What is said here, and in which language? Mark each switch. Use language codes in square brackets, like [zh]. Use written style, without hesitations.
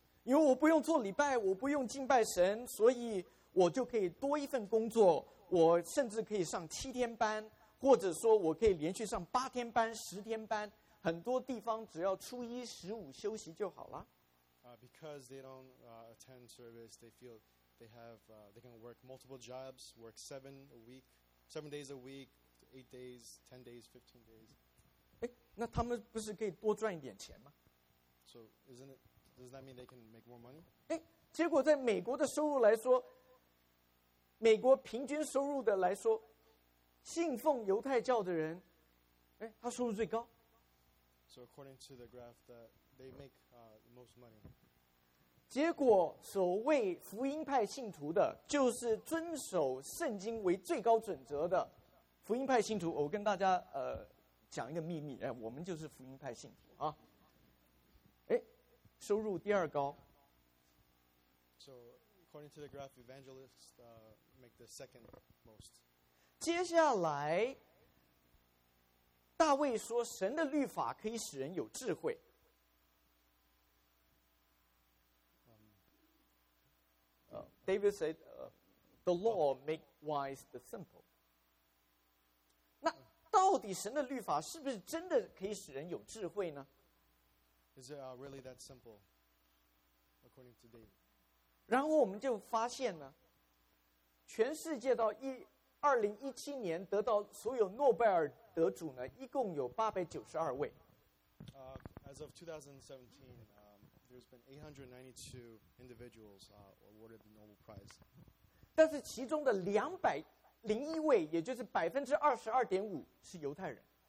[zh] 因为我不用做礼拜，我不用敬拜神，所以我就可以多一份工作，我甚至可以上7天班，或者说我可以连续上8天班、10天班。很多地方只要初一十五休息就好了。 [en] Because they don't attend service, they feel they have they can work multiple jobs, work seven days a week, 8 days, 10 days, 15 days. [zh] 那他们不是可以多赚一点钱吗 [en] ？So isn't it? Does that mean they can make more money? [zh] 结果在美国的收入来说，美国平均收入的来说，信奉犹太教的人，他收入最高。 [en] So according to the graph, that they make the most money. [zh] 结果所谓福音派信徒的，就是遵守圣经为最高准则的福音派信徒。我跟大家讲一个秘密，我们就是福音派信徒啊。收入第二高。 [en] So according to the graph, evangelists make the second most. [zh] 接下来。大卫说：“神的律法可以使人有智慧。” [en] David said, "The law make wise the simple." [zh] 那到底神的律法是不是真的可以使人有智慧呢 [en] ？Is it really that simple, according to David? [zh] 然后我们就发现呢，全世界到2017年得到所有诺贝尔得主呢，一共有892位。 [en] As of 2017, there's been 892 individuals awarded the Nobel Prize. [zh] 但是其中的201位，也就是22.5%，是犹太人。